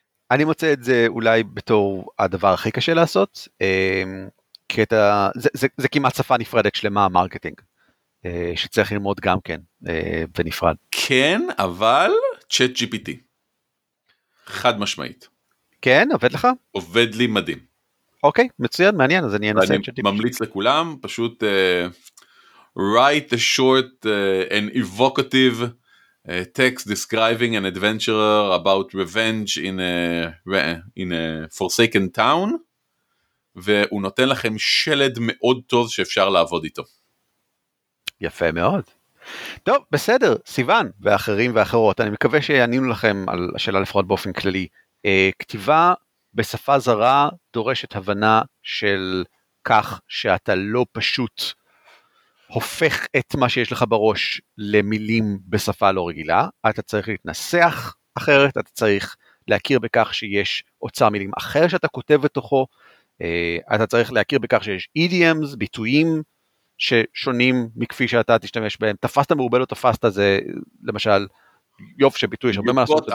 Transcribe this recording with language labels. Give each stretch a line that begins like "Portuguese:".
Hebrew: אני מוצא את זה אולי בתור הדבר הכי קשה לעשות, קטע, זה כמעט שפה נפרדת שלמה, מרקטינג, שצריך ללמוד גם כן, בנפרד. כן, אבל צ'אט GPT. חד משמעית. כן, עובד לך? עובד לי מדהים. אוקיי, מצוין, מעניין, אז אני אנסה את צ'אט GPT. אני ממליץ לכולם, פשוט
English: write a short and evocative text describing an adventurer about revenge in a forsaken town,
Hebrew: והוא נותן לכם שלד מאוד טוב שאפשר לעבוד איתו. יפה מאוד. טוב, בסדר, סיוון ואחרים ואחרות, אני מקווה שיענינו לכם על השאלה לפחות באופן כללי. כתיבה בשפה זרה דורשת הבנה של כך שאתה לא פשוט הופך את מה שיש לך בראש למילים בשפה לא רגילה, אתה צריך להתנסח אחרת, אתה צריך להכיר בכך שיש אוצר מילים אחר שאתה כותב בתוכו, אתה צריך להכיר בכך שיש idioms, ביטויים ששונים מכפי שאתה תשתמש בהם, תפסת מרובה לא תפסת, זה למשל יופי שביטוי, יש הרבה מה לעשות.